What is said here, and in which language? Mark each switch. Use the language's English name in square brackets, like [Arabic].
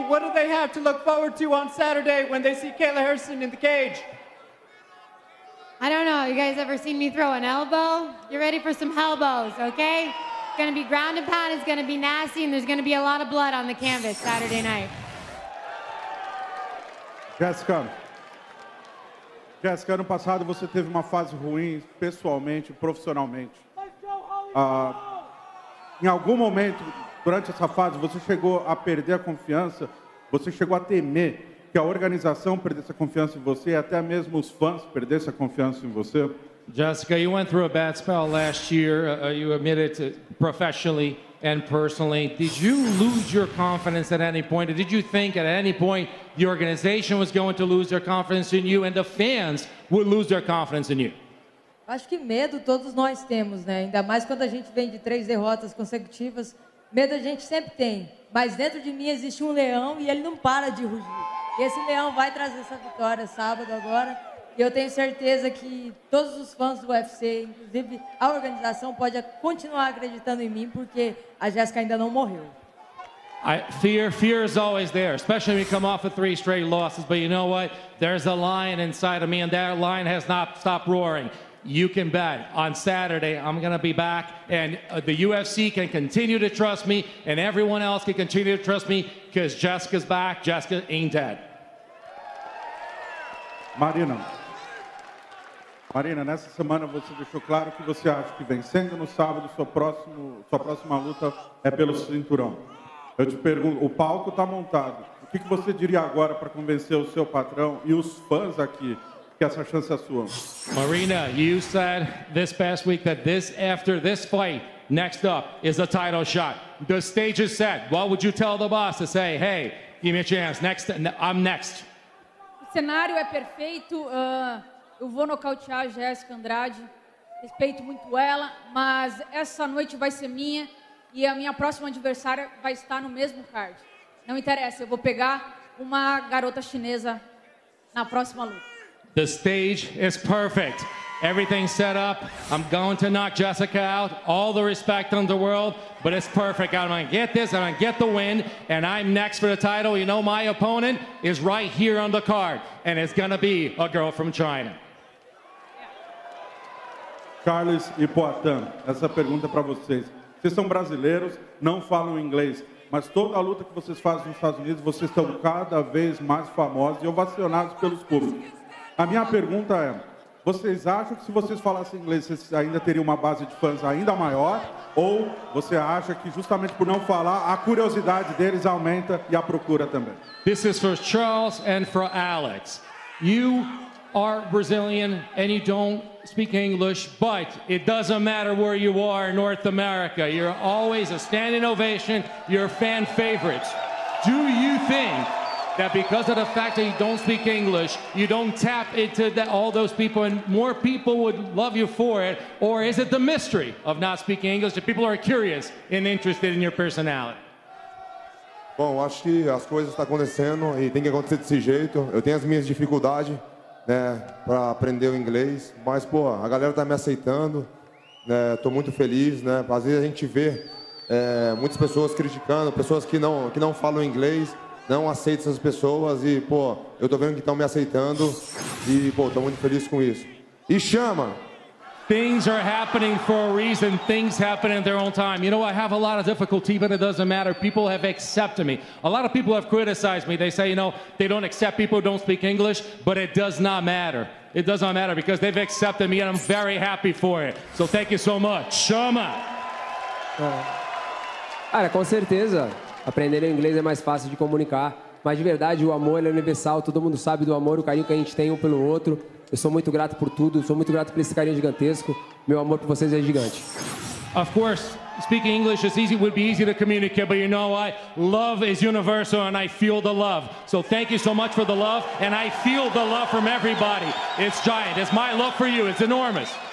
[English] What do they have to look forward to on Saturday when they see Kayla Harrison in the cage? I don't know. You guys ever seen me throw an elbow? You're ready for some elbows, okay? It's going to be ground and pound. It's going to be nasty, and there's going to be a lot of blood on the canvas Saturday night. [Portuguese] Jéssica, ano passado você teve uma fase ruim, pessoalmente, profissionalmente. Em algum momento, durante essa fase, você chegou a perder a confiança, você chegou a temer que a organização perdesse a confiança em você, até mesmo os fãs perdessem a confiança em você. [English] Jéssica, you went through a bad spell last year, you admitted it professionally and personally. Did you lose your confidence at any point? Or did you think at any point the organization was going to lose their confidence in you and the fans would lose their confidence in you? [Portuguese] Acho que medo todos nós temos, né? Ainda mais quando a gente vem de três derrotas consecutivas. Medo a gente sempre tem. Mas dentro de mim existe leão e ele não para de rugir. E esse leão vai trazer essa vitória sábado agora. E eu tenho certeza que todos os fãs do UFC, inclusive a organização, pode continuar acreditando em mim porque a Jéssica ainda não morreu. [English] Fear is always there, especially when you come off of three straight losses. But you know what? There's a lion inside of me, and that lion has not stopped roaring. You can bet on Saturday I'm going to be back, and the UFC can continue to trust me, and everyone else can continue to trust me because Jessica's back. Jessica ain't dead. [Portuguese] Marina, nessa semana você deixou claro que você acha que vencendo no sábado, sua próxima luta é pelo cinturão. Eu te pergunto, o palco está montado. O que você diria agora para convencer o seu patrão e os fãs aqui que essa chance é sua? [English] Marina, you said this past week that this after this fight, next up is a title shot. The stage is set. What would you tell the boss to say, hey, give me a chance, next, I'm next? [Portuguese] O cenário é perfeito, eu vou nocautear a Jéssica Andrade, respeito muito ela, mas essa noite vai ser minha e a minha próxima adversária vai estar no mesmo card. Não interessa, eu vou pegar uma garota chinesa na próxima luta. [English] The stage is perfect. Everything's set up. I'm going to knock Jessica out. All the respect in the world, but it's perfect. I'm going to get this, I'm going to get the win, and I'm next for the title. You know, my opponent is right here on the card, and it's going to be a girl from China. [Portuguese] Carlos e Poitin, essa pergunta para vocês. Vocês são brasileiros, não falam inglês, mas toda a luta que vocês fazem nos Estados Unidos, vocês estão cada vez mais famosos e ovacionados pelos públicos. A minha pergunta é, vocês acham que se vocês falassem inglês, vocês ainda teriam uma base de fãs ainda maior? Ou você acha que justamente por não falar, a curiosidade deles aumenta e a procura também? [English] This is for Charles and for Alex. You are Brazilian and you don't speak English, but it doesn't matter where you are in North America. You're always a standing ovation, you're fan favorites. Do you think that because of the fact that you don't speak English, you don't tap into that, all those people, and more people would love you for it? Or is it the mystery of not speaking English that people are curious and interested in your personality? [Portuguese] Bom, acho que as coisas estão acontecendo e tem que acontecer desse jeito. Eu tenho as minhas dificuldades, né, para aprender o inglês, mas pô, a galera tá me aceitando, né, tô muito feliz, né, às vezes a gente vê muitas pessoas criticando, pessoas que não falam inglês, não aceitam essas pessoas e pô, eu tô vendo que estão me aceitando e pô, tô muito feliz com isso. E chama! [English] Things are happening for a reason. Things happen in their own time. You know, I have a lot of difficulty, but it doesn't matter. People have accepted me. A lot of people have criticized me. They say, you know, they don't accept people who don't speak English, but it does not matter. It does not matter because they've accepted me, and I'm very happy for it. So thank you so much. Chama! [Portuguese] Cara, com certeza, aprender inglês é mais fácil de comunicar. Mas de verdade, o amor é universal. Todo mundo sabe do amor, o carinho que a gente tem um pelo outro. Eu sou muito grato por tudo, sou muito grato por esse carinho gigantesco. Meu amor por vocês é gigante. [English] Of course, speaking English is easy, would be easy to communicate, but you know what? Love is universal and I feel the love. So thank you so much for the love and I feel the love from everybody. It's giant. It's my love for you. It's enormous.